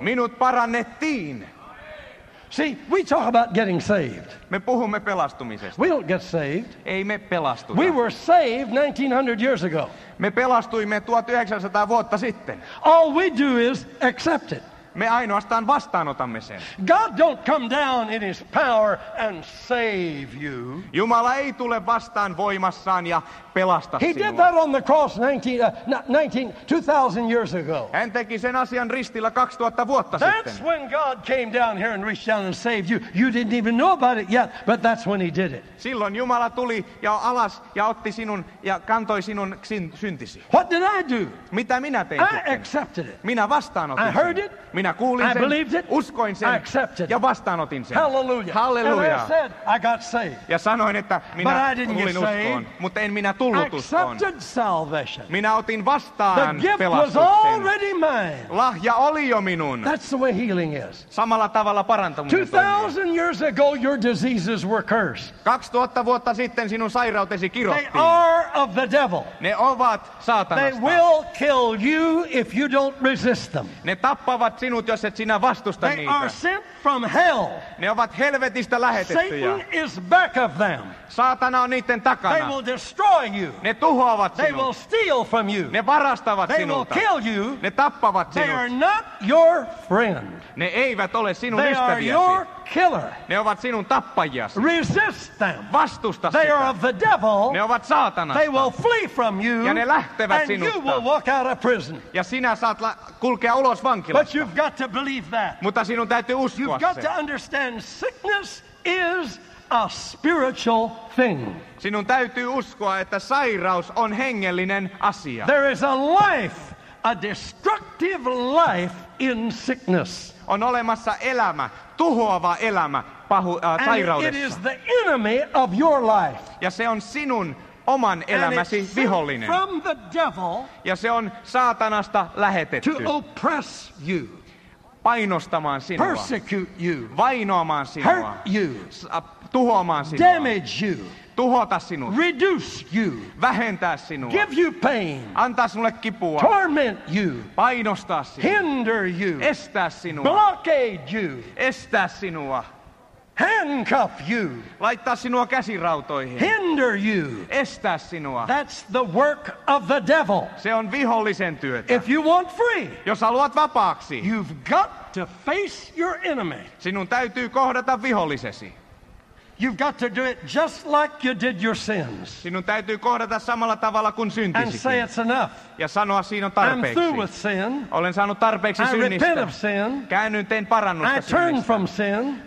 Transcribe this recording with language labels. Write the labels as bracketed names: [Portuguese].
[Finnish] Minut parannettiin. [English] See, we talk about getting saved. [Finnish] Me puhumme pelastumisesta. [English] We don't get saved. [Finnish] Ei me pelastuta. [English] We were saved 1900 years ago. [Finnish] Me pelastuimme 1900 vuotta sitten. [English] All we do is accept it. [Finnish] Me ainoastaan vastaanotamme sen. [English] God don't come down in his power and save you. [Finnish] Jumala ei tule vastaan voimassaan ja pelasta sinua. [English] He did that on the cross 2000 years ago. [Finnish] Hän teki sen asian ristillä 2000 vuotta [English] that's [Finnish] sitten. [English] That's when God came down here and reached down and saved you. You didn't even know about it yet, but that's when he did it. [Finnish] Silloin Jumala tuli ja alas ja otti sinun ja kantoi sinun syntisi. [English] What did I do? [Finnish] Mitä minä tein? [English] I accepted it. [Finnish] Minä vastaanotin sen. [English] I heard it. [Finnish] Minä kuulin sen, [English] I believed it, [Finnish] uskoin sen, [English] I accepted it. [Finnish] Ja vastaanotin sen. Hallelujah. Hallelujah. [English] And I said, I got saved. [Finnish] Ja sanoin, että minä kuulin uskoon, mutta en minä tullut [English] accepted [Finnish] uskoon. [English] Salvation. [Finnish] Minä otin vastaan [English] the gift [Finnish] pelastuksen. [English] Was already mine. [Finnish] Lahja oli jo minun. [English] That's the way healing is. [Finnish] Samalla tavalla parantuminen [English] 2000 years ago your diseases were cursed. [Finnish] 2000 vuotta sitten sinun sairautesi kirottiin. [English] They are of the devil. [Finnish] Ne ovat saatanasta. [English] They will kill you if you don't resist them. [Finnish] Ne tappavat sinut, jos et sinä vastusta [English] they [Finnish] niitä. [English] Are sent from hell. [Finnish] Ne ovat helvetistä lähetettyjä. [English] Satan is back of them. [Finnish] Saatana on niiden takana. [English] They will destroy you. [Finnish] Ne tuhoavat [English] they [Finnish] sinut. [English] Will steal from you. [Finnish] Ne varastavat [English] they [Finnish] sinulta. [English] Will kill you. [Finnish] Ne tappavat [English] they [Finnish] sinut. [English] Are not your friend. [Finnish] Ne eivät ole sinun [English] they [Finnish] ystäviäsi. [English] Are your killer. [Finnish] Ne ovat sinun tappajiasi. [English] Resist them. [Finnish] Vastusta [English] they [Finnish] sitä. [English] Are of the devil. [Finnish] Ne ovat saatanasta. [English] They will flee from you. [Finnish] Ja ne lähtevät [English] and [Finnish] sinusta. [English] You will walk out of prison. [Finnish] Ja sinä saat kulkea ulos vankilasta. [English] But you've got to believe that. [Finnish] Mutta sinun täytyy uskoa [English] you've got [Finnish] sen. [English] To understand sickness is a spiritual thing. [Finnish] Sinun täytyy uskoa, että sairaus on hengellinen asia. [English] There is a life, a destructive life in sickness. [Finnish] On olemassa elämä, tuhoava elämä sairaudessa. [English] It is the enemy of your life. [Finnish] Ja se on sinun oman elämäsi vihollinen. [English] From the devil, [Finnish] ja se on saatanasta lähetetty. [English] To oppress you. [Finnish] Painostamaan sinua. [English] Persecute you. [Finnish] Vainoamaan sinua. [English] Hurt you. [Finnish] Tuhoamaan sinua. [English] Damage you. [Finnish] Tuhota sinut. [English] Reduce you. [Finnish] Vähentää sinua. [English] Give you pain. [Finnish] Antaa sinulle kipua. [English] Torment you. [Finnish] Painostaa sinua. [English] Hinder you. [Finnish] Estää sinua. [English] Blockade you. [Finnish] Estää sinua. [English] Handcuff you. [Finnish] Laittaa sinua käsirautoihin. [English] Hinder you. [Finnish] Estää sinua. [English] That's the work of the devil. [Finnish] Se on vihollisen työtä. [English] If you want free. [Finnish] Jos haluat vapaaksi. [English] You've got to face your enemy. [Finnish] Sinun täytyy kohdata vihollisesi. [English] You've got to do it just like you did your sins. [Finnish] Sinun täytyy kohdata samalla tavalla kuin syntisikin. [English] And say it's enough. [Finnish] Ja sanoa siinä on tarpeeksi. [English] I'm through with sin. [Finnish] Olen saanut tarpeeksi synnistä. [English] I repent of sin. [Finnish] Käännyn, teen parannusta synnistä. [English] I turn from sin.